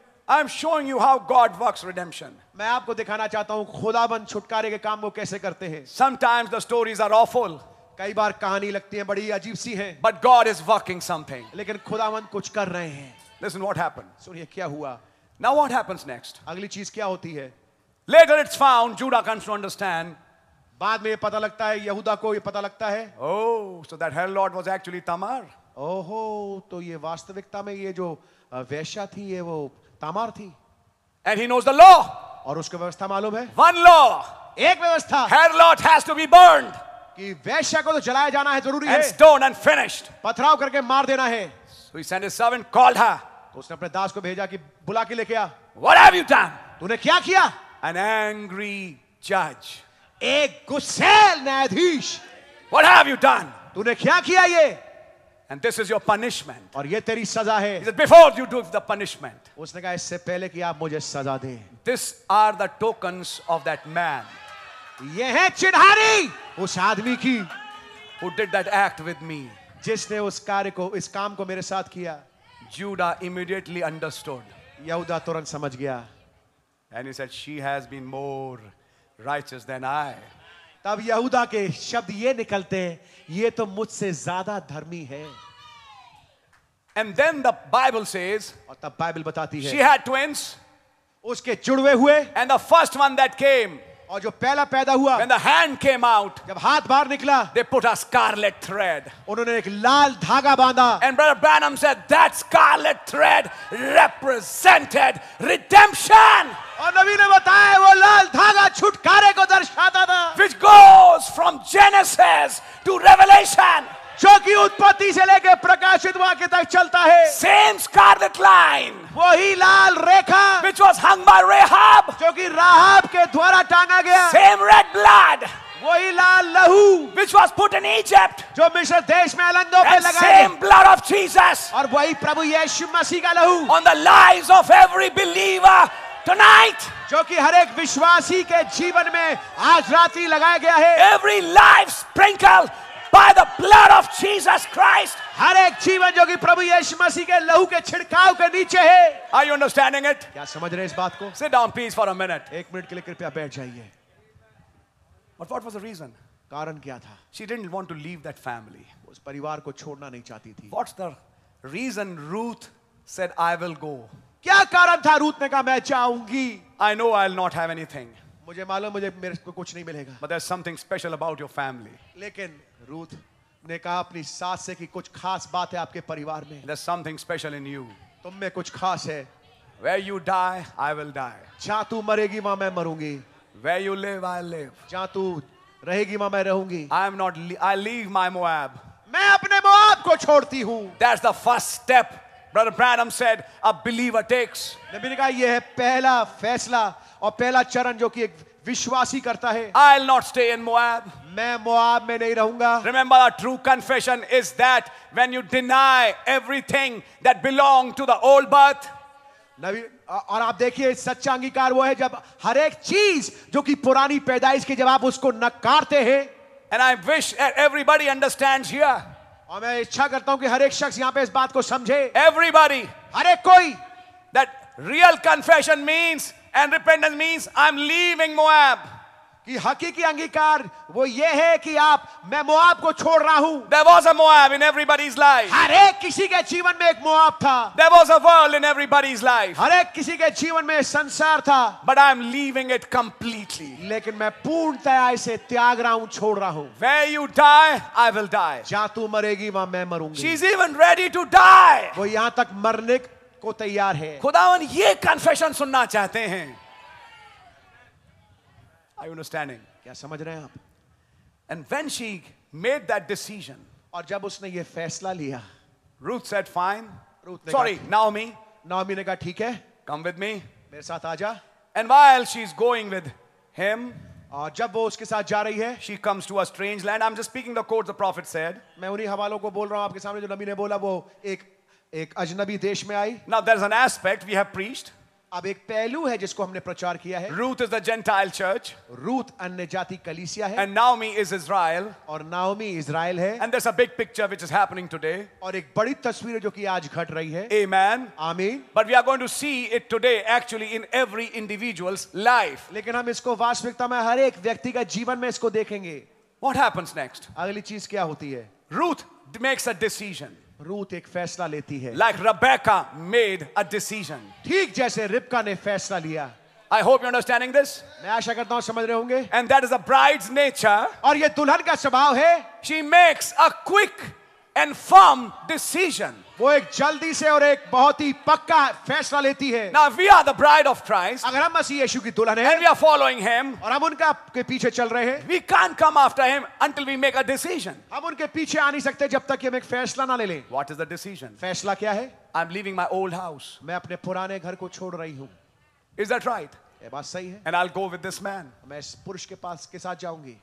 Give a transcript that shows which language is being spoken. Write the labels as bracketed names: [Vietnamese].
[English] I am showing you how God works redemption. [Hindi] मैं आपको दिखाना चाहता हूँ खुदाबंद छुटकारे के काम को कैसे करते हैं. [English] Sometimes the stories are awful. [Hindi] कई बार कहानी लगती है बड़ी अजीब सी है. [English] But God is working something. [Hindi] लेकिन खुदाबंद कुछ कर रहे हैं. [English] Listen what happened. [Hindi] सुनिए क्या हुआ. [English] Now what happens next? [Hindi] अगली चीज क्या होती है. [English] Later it's found Judah comes to understand. [Hindi] बाद में ये पता लगता है यहूदा को ये पता लगता है. [English] Oh, so that hell lord was actually Tamar. [Hindi] ओहो, तो ये वास्तविकता में ये जो वेश्या थी ये वो तामार थी. [English] And he knows the law. [Hindi] और उसको व्यवस्था मालूम है. [English] One law. [Hindi] एक व्यवस्था. [English] Her lot has to be burned. [Hindi] कि वेश्या को तो जलाया जाना है जरूरी [English] है. And stone and finished. [Hindi] पथराव करके मार देना है. [English] So he sent his servant, called her. [Hindi] तो उसने अपने दास को भेजा कि बुला के लेके आ. [English] What have you done? [Hindi] तूने क्या किया? [English] An angry judge. [Hindi] एक गुस्सैल न्यायाधीश. [English] What have you done? [Hindi] तूने क्या किया ये? [English] And this is your punishment. [Hindi] और ये तेरी सजा है. [English] He said, before you do the punishment. [Hindi] उसने कहा इससे पहले कि आप मुझे सजा दें. [English] This are the tokens of that man. [Hindi] ये है चिन्हारी उस आदमी की. [English] Who did that act with me. [Hindi] जिसने उस कार्य को इस काम को मेरे साथ किया. [English] Judah immediately understood. [Hindi] यहूदा तुरंत समझ गया. [English] And he said, she has been more righteous than I. [Hindi] तब यहूदा के शब्द ये निकलते हैं, ये तो मुझसे ज्यादा धर्मी है. [English] And then the Bible says, [Hindi] और तब बाइबल बताती है, [English] she had twins, [Hindi] उसके जुड़वे हुए, [English] and the first one that came, [Hindi] और जो पहला पैदा हुआ, [English] when the hand came out, [Hindi] जब हाथ बाहर निकला, [English] they put a scarlet thread, [Hindi] उन्होंने एक लाल धागा बांधा, [English] and Brother Branham said that scarlet thread represented redemption. [Hindi] और नबी ने बताया वो लाल धागा छुटकारे को दर्शाता था. [English] Which goes from Genesis to Revelation. [Hindi] जो कि उत्पत्ति से लेकर प्रकाशित वाक्य तक चलता है. [English] Same scarlet line. [Hindi] वही लाल रेखा. [English] Which was hung by Rahab. [Hindi] जो कि राहाब के द्वारा टांगा गया. [English] Same red blood. [Hindi] वही लाल लहू. [English] Which was put in Egypt. [Hindi] जो मिस्र देश में अलंगों पे लगाया. [English] Same blood of Jesus. [Hindi] और वही प्रभु यीशु मसीह का लहू. [English] On the lives of every believer. Tonight, [Hindi] जो कि हर एक विश्वासी के जीवन में आज रात ही लगाया गया है. [English] Every life sprinkled by the blood of Jesus Christ. [Hindi] हर एक जीवन जो कि प्रभु यीशु मसीह के लहू के छिड़काव के नीचे है. [English] Are you understanding it? [Hindi] क्या समझ रहे हैं इस बात को? [English] Sit down, please, for a minute. [Hindi] एक मिनट के लिए कृपया बैठ जाइए. [English] But what was the reason? [Hindi] कारण क्या था? [English] She didn't want to leave that family. [Hindi] उस परिवार को छोड़ना नहीं चाहती थी. [English] What's the reason Ruth said, "I will go"? [Hindi] क्या कारण था रूथ ने कहा मैं जाऊंगी. [English] I know I'll not have anything. [Hindi] मुझे मालूम मुझे मेरे को कुछ नहीं मिलेगा. [English] But there's something special about your family. [Hindi] लेकिन रूथ ने कहा अपनी सास से कि कुछ खास बात है आपके परिवार में. [English] There's something special in you. [Hindi] तुम में कुछ खास है. [English] Where you die, I will die. [Hindi] जहां तू मरेगी वहां मैं मरूंगी. [English] Where you live, I'll live. [Hindi] जहां तू रहेगी वहां मैं रहूंगी. [English] I leave my Moab. [Hindi] मैं अपने मोआब को छोड़ती हूँ. [English] That's the first step. Brother Branham said, "A believer takes." [Hindi] नबी ने कहा ये है पहला फैसला और पहला चरण जो कि एक विश्वासी करता है. [English] I'll not stay in Moab. [Hindi] मैं मोआब में नहीं रहूँगा. [English] Remember, a true confession is that when you deny everything that belonged to the old birth. [Hindi] नबी और आप देखिए सच्चा अंगीकार वो है जब हर एक चीज जो कि पुरानी पैदाइश की जब आप उसको नकारते हैं. [English] And I wish that everybody understands here. [Hindi] और मैं इच्छा करता हूं कि हर एक शख्स यहां पे इस बात को समझे. [English] Everybody, [Hindi] हर एक कोई. [English] That real confession means and repentance means I'm leaving Moab. [Hindi] कि हकीकी अंगीकार वो ये है कि आप मैं मोआब को छोड़ रहा हूं. [English] There was a Moab in everybody's life. [Hindi] हर एक किसी के जीवन में एक मोआब था. [English] There was a world in everybody's life. [Hindi] हर एक किसी के जीवन में संसार था. [English] But I am leaving it completely. [Hindi] लेकिन मैं पूर्णतया इसे त्याग रहा हूं, छोड़ रहा हूं. [English] Where you die, I will die. [Hindi] जहां तू मरेगी वहां मैं मरूंगी. [English] She's even ready to die. [Hindi] वो यहां तक मरने को तैयार है. खुदावन ये कन्फेशन सुनना चाहते हैं. [English] Are you understanding? [Hindi] क्या समझ रहे हैं आप? [English] And when she made that decision, [Hindi] और जब उसने ये फैसला लिया, [English] Ruth said, "Fine." [Hindi] Ruth ने [English] Sorry, [Hindi] कहा, [English] Naomi. [Hindi] Naomi ने कहा, ठीक है. [English] Come with me. [Hindi] मेरे साथ आ जा. [English] And while she's going with him, [Hindi] और जब वो उसके साथ जा रही है, [English] she comes to a strange land. I'm just speaking the quote the prophet said. [Hindi] मैं उन्हीं हवालों को बोल रहा हूँ आपके सामने जो नबी ने बोला, वो एक अजनबी देश में आई. [English] Now there's an aspect we have preached. [Hindi] अब एक पहलू है जिसको हमने प्रचार किया है. [English] Ruth is the Gentile church. [Hindi] Ruth अन्य जाति कलीसिया है. [English] And Naomi is Israel. [Hindi] और नाओमी इज़राइल है. [English] And there's a big picture which is happening today. [Hindi] और एक बड़ी तस्वीर है जो कि आज घट रही है. [English] Amen. [Hindi] आमीन. [English] But we are going to see it today actually in every individual's life. [Hindi] लेकिन हम इसको वास्तविकता में हर एक व्यक्ति का जीवन में इसको देखेंगे. [English] What happens next? [Hindi] अगली चीज क्या होती है? [English] Ruth makes a decision. [Hindi] Ruth एक फैसला लेती है. [English] Like Rebecca made a decision. [Hindi] ठीक जैसे रिबका ने फैसला लिया. [English] I hope you're understanding this. [Hindi] मैं आशा करता हूं समझ रहे होंगे. [English] And that is a bride's nature. [Hindi] और ये दुल्हन का स्वभाव है. [English] She makes a quick and firm decision. [Hindi] वो एक जल्दी से और एक बहुत ही पक्का फैसला लेती है. [English] Now we are the bride of Christ. [Hindi] अगर हम मसीह यीशु की दुल्हन [English] हैं. And we are following him. [Hindi] और हम उनका के पीछे चल रहे हैं. [English] We can't come after him until we make a decision. [Hindi] हम उनके पीछे आ नहीं सकते जब तक हम एक फैसला ना ले लें. [English] What is the decision? [Hindi] फैसला क्या है? [English] I'm leaving my old house. [Hindi] मैं अपने पुराने घर को छोड़ रही हूँ. [English] Is that right? [Hindi] ये बात सही है. [English] And I'll go with this man. [Hindi] मैं इस पुरुष के पास के साथ जाऊंगी.